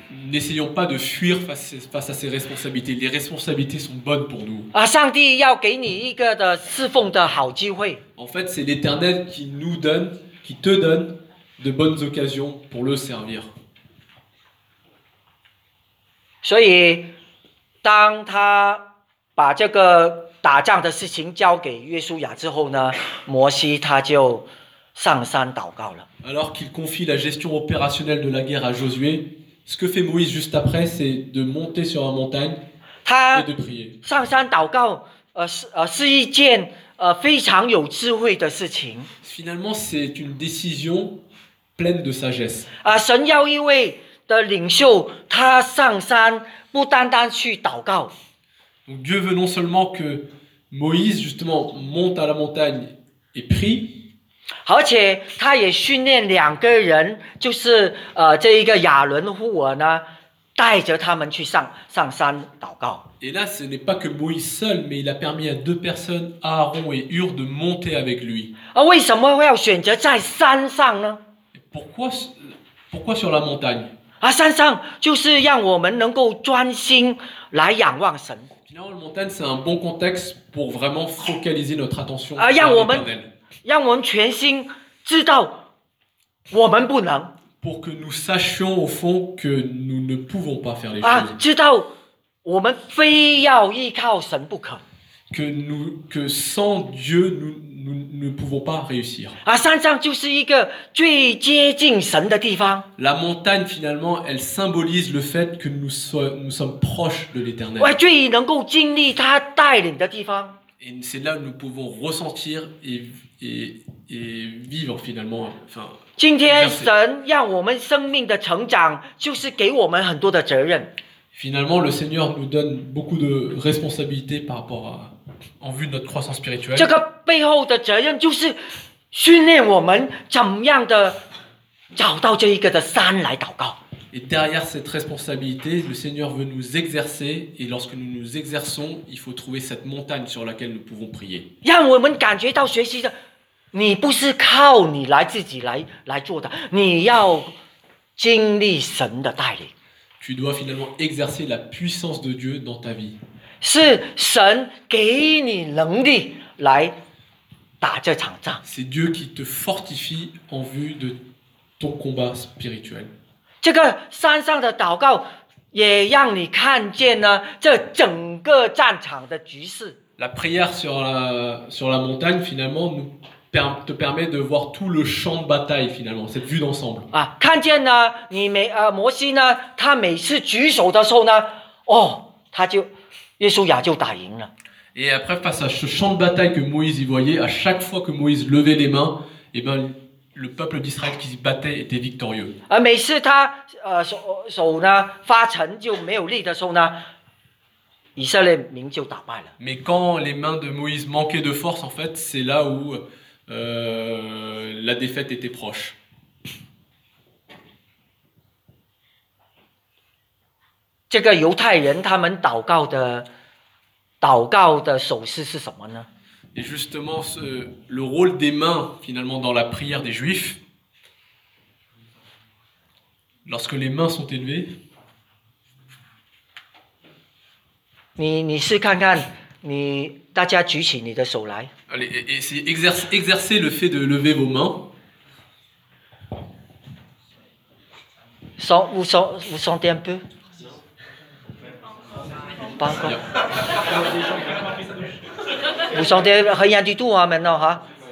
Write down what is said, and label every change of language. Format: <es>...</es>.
<fr>N'essayons pas de fuir face à ces responsabilités. Les responsabilités sont bonnes pour nous.</fr> <zh>啊，上帝要给你一个的侍奉的好机会。</zh> <fr>En fait, c'est l'Éternel qui nous donne, qui te donne de bonnes occasions pour le servir.</fr> <zh>所以，当他把这个打仗的事情交给约书亚之后呢，摩西他就上山祷告了。</zh> <fr>Alors qu'il confie la gestion opérationnelle de la guerre à Josué. Ce que fait Moïse juste après, c'est de monter sur la montagne et de prier.</fr> <zh>上山祷告，是一件非常有智慧的事情。</zh> <fr>Finalement, c'est une décision pleine de sagesse.</fr> <zh>啊，神要一位的领袖，他上山不单单去祷告。</zh> <fr>Donc Dieu veut non seulement que Moïse justement monte à la montagne et prie.</fr> <zh>而且他也训练两个人，就是这一个亚伦户珥呢，带着他们去上山祷告。</zh> <fr>Et là, ce n'est pas que Moïse seul, mais il a permis à deux personnes, Aaron et Hur, de monter avec lui.</fr> <zh>啊，为什么要选择在山上呢？</zh> <fr>Pourquoi sur la montagne？</fr> <zh>啊，山上就是让我们能够专心来仰望神。</zh> <fr>Finalement, la montagne, c'est un bon contexte pour vraiment focaliser notre attention.</fr> <zh>啊，让我们。让我们全心知道我们不能。</zh> <fr>Pour que nous sachions au fond que nous ne pouvons pas faire les choses.</fr> <zh>啊，知道我们非要依靠神不可。</zh> <fr>Que sans Dieu nous ne pouvons pas réussir.</fr> <zh>啊，山上就是一个最接近神的地方。</zh> <fr>La montagne finalement elle symbolise le fait que nous sommes proches de l'Éternel.</fr> <zh>啊，最能够经历他带领的地方。</zh> <fr>Et c'est là que nous pouvons ressentir et vivre finalement.</fr> <zh>今天神让我们生命的成长，就是给我们很多的责任。</zh> <fr>Finalement, le Seigneur nous donne beaucoup de responsabilités par rapport à en vue de notre croissance spirituelle.</fr> <zh>这个背后的责任就是训练我们怎么样的找到这一个的山来祷告。</zh> <fr>Et derrière cette responsabilité, le Seigneur veut nous exercer, et lorsque nous nous exerçons, il faut trouver cette montagne sur laquelle nous pouvons prier.</fr> <zh>让我们感觉到学习的，你不是靠你来自己来做的，你要经历神的带领。</zh> <fr>Tu dois finalement exercer la puissance de Dieu dans ta vie.</fr> <zh>是神给你能力来打这场仗。</zh> <fr>C'est Dieu qui te fortifie en vue de ton combat spirituel.</fr> <zh>这个山上的祷告也让你看见呢这整个战场的局势。</zh> <fr>La prière sur la montagne finalement nous te permet de voir tout le champ de bataille finalement, cette vue d'ensemble.</fr> <zh>啊，看见呢，你每摩西呢，他每次举手的时候呢，哦，他就耶稣亚就打赢了。</zh> <fr>Et après face à ce champ de bataille que Moïse y voyait, à chaque fois que Moïse levait les mains, et ben le peuple d'Israël qui s'y battait était victorieux.</fr> <zh>啊，每次他手呢发沉就没有力的时候呢。以色列民就打败了。</zh> <fr>Mais quand les mains de Moïse manquaient de force, en fait, c'est là où la défaite était proche.</fr> <zh>这个犹太人他们祷告的手势是什么呢？</zh> <fr>Et justement, le rôle des mains, finalement, dans la prière des Juifs, lorsque les mains sont élevées,</fr> <zh>你试看看你大家举起你的手来。</zh> <fr>Allez, exercez le fait de lever vos mains. Vous sentez un peu? Pas encore. Vous sentez rien du tout hein, maintenant, hein?</fr>